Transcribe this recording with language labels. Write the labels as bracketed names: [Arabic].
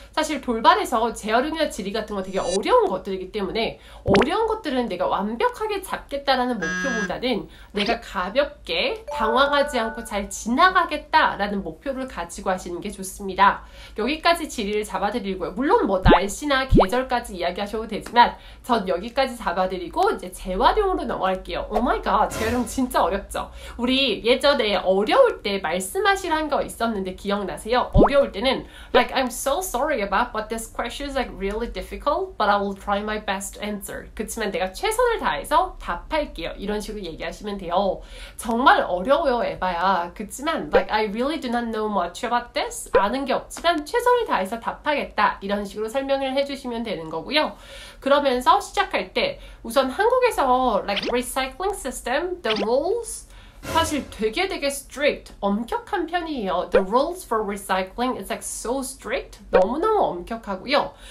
[Korean] 사실 돌발에서 재활용이나 지리 같은 거 되게 어려운 것들이기 때문에 어려운 것들은 내가 완벽하게 잡겠다라는 목표보다는 내가 가볍게 당황하지 않고 잘 지나가겠다라는 목표를 가지고 하시는 게 좋습니다. 여기까지 지리를 잡아드리고요. 물론 뭐 날씨나 계절까지 이야기하셔도 되지만 전 여기까지 잡아드리고 이제 재활용으로 넘어갈게요. 오마이갓, 재활용 진짜 어렵죠. 우리 예전에 어려울 때 말씀하시란 거 있었는데 기억나세요? 어려울 때는 [English] like I'm so sorry about but this question is like really difficult but I will try my best answer. [Korean] 그치만 내가 최선을 다해서 답할게요. 이런 식으로 얘기하시면 돼요. 정말 어려워요 에바야. 그치만 [English] like I really do not know much about this. [Korean] 아는 게 없지만 최선을 다해서 답하겠다. 이런 식으로 설명을 해주시면 되는 거고요. 그러면서 시작할 때 우선 한국에서 [English] like recycling system, the rules [Korean] 사실 되게 strict, 엄격한 편이에요. [English] The rules for recycling is like so strict, [Korean] 너무너무 엄격하고요.